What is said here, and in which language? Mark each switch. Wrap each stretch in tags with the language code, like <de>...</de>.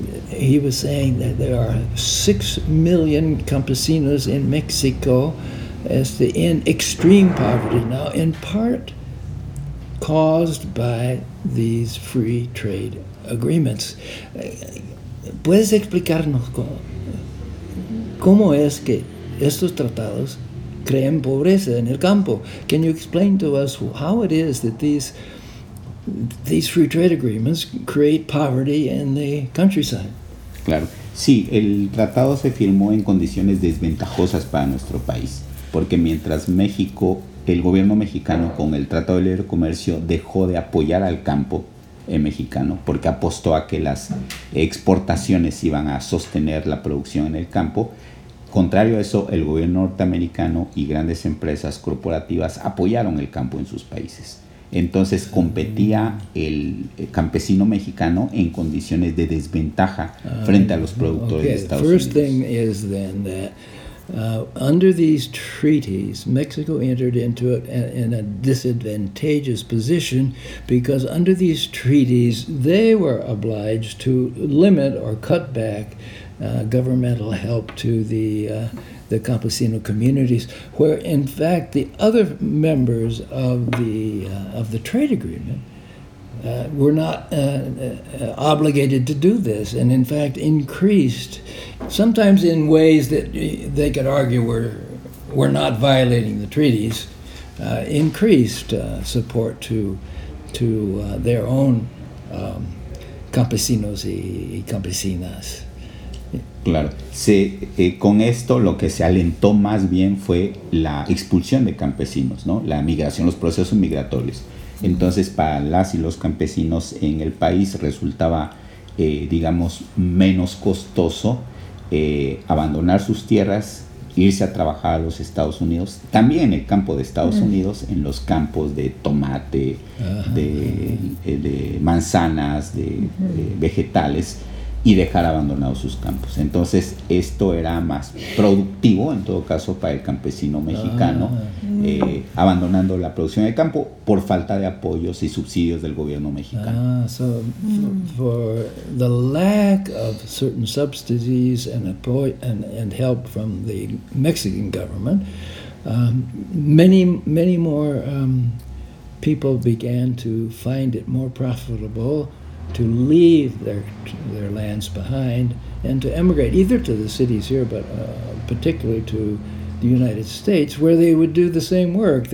<en>He was saying that there are 6 million campesinos in Mexico in extreme poverty now, in part caused by these free trade agreements.</en> <es>¿Puedes explicarnos cómo es que estos tratados creen pobreza en el campo?</es> <en>Can you explain to us how it is that these free trade agreements create poverty in the countryside?</en> <es>Claro. Sí, el tratado se firmó en condiciones desventajosas para nuestro país, porque mientras México, el gobierno mexicano con el Tratado de Libre Comercio dejó de apoyar al campo mexicano porque apostó a que las exportaciones iban a sostener la producción en el campo. Contrario a eso, el gobierno norteamericano y grandes empresas corporativas apoyaron el campo en sus países. Entonces competía el campesino mexicano en condiciones de desventaja frente a los productores de Estados</es> <en>First</en> <es>Unidos.</es> <en>Thing is then that under these treaties, Mexico entered into it in a disadvantageous position because under these treaties, they were obliged to limit or cut back governmental help to the campesino communities, where in fact the other members of the trade agreement were not obligated to do this, and in fact increased, sometimes in ways that they could argue were not violating the treaties, increased support to their own</en> <es>campesinos y campesinas. Claro, con esto lo que se alentó más bien fue la expulsión de campesinos, ¿no? La migración, los procesos migratorios. Entonces, para las y los campesinos en el país resultaba, digamos, menos costoso abandonar sus tierras, irse a trabajar a los Estados Unidos, también en el campo de Estados Unidos, en los campos de tomate, de manzanas, de vegetales, y dejar abandonados sus campos. Entonces, esto era más productivo, en todo caso, para el campesino mexicano, abandonando la producción de campo por falta de apoyos y subsidios del gobierno mexicano.</es> <en>For the lack of certain subsidies and support and help from the Mexican government, many more people began to find it more profitable to leave their lands behind and to emigrate, either to the cities here, but particularly to the United States, where they would do the same work.</en>